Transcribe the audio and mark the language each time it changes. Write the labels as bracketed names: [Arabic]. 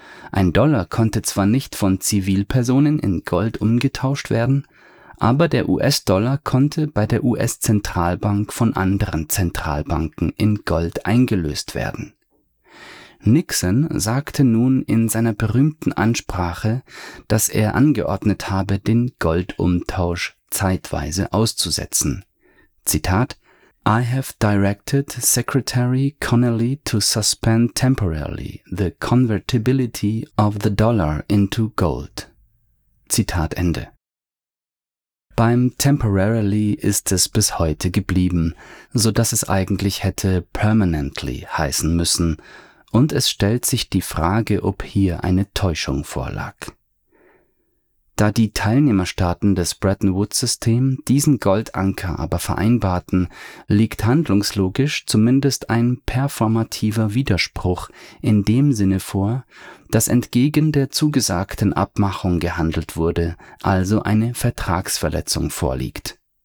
[German] Ein Dollar konnte zwar nicht von Zivilpersonen in Gold umgetauscht werden, aber der US-Dollar konnte bei der US-Zentralbank von anderen Zentralbanken in Gold eingelöst werden. Nixon sagte nun in seiner berühmten Ansprache, dass er angeordnet habe, den Goldumtausch zeitweise auszusetzen. [English] Zitat: I have directed Secretary Connally to suspend temporarily the convertibility of the dollar into gold. [German] Zitat Ende. Beim temporarily ist es bis heute geblieben, so dass es eigentlich hätte permanently heißen müssen, und es stellt sich die Frage, ob hier eine Täuschung vorlag. Da die Teilnehmerstaaten des Bretton Woods-System diesen Goldanker aber vereinbarten, liegt handlungslogisch zumindest ein performativer Widerspruch in dem Sinne vor, dass entgegen der zugesagten Abmachung gehandelt wurde, also eine Vertragsverletzung vorliegt.